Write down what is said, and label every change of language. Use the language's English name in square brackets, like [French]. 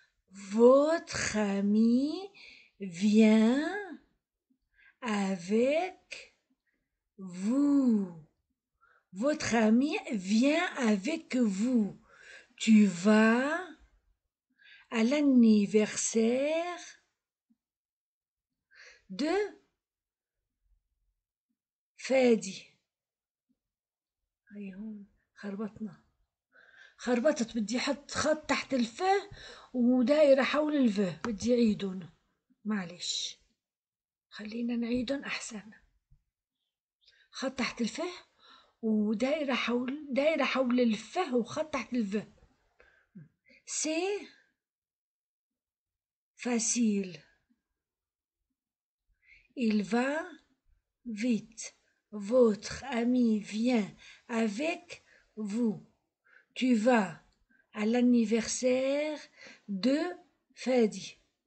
[French] Votre ami vient avec vous, votre ami vient avec vous. Tu vas à l'anniversaire de فادي. [Arabic] هاي هون خربطنا، خربطت. بدي احط خط تحت الف ودائرة حول الف، بدي اعيدهم. معلش خلينا نعيدهم احسن. خط تحت الف ودائرة حول، دائرة حول الف وخط تحت الف. [French] سي فاسيل، il va vite. Votre ami vient avec vous. Tu vas à l'anniversaire de Fadi.